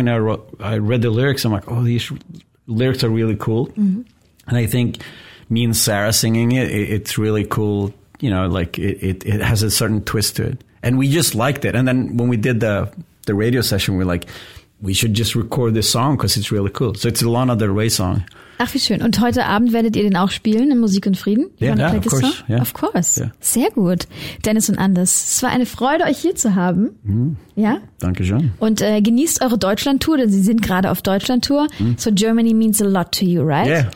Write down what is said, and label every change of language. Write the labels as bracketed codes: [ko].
[en] And I read the lyrics, I'm like, oh, these lyrics are really cool. Mm-hmm. And I think me and Sarah singing it's really cool, you know, like it has a certain twist to it. And we just liked it. And then when we did the radio session, we're like, we should just record this song because it's really cool. So it's a Lana Del Rey song. [de] Ach, wie schön. Und heute Abend werdet ihr den auch spielen in Musik und Frieden? [en] Of course. Yeah. [de] Sehr gut. Dennis und Anders, es war eine Freude, euch hier zu haben. Mm. Ja? Danke schön. Und genießt eure Deutschland-Tour, denn sie sind gerade auf Deutschland-Tour. Mm. [en] So Germany means a lot to you, right?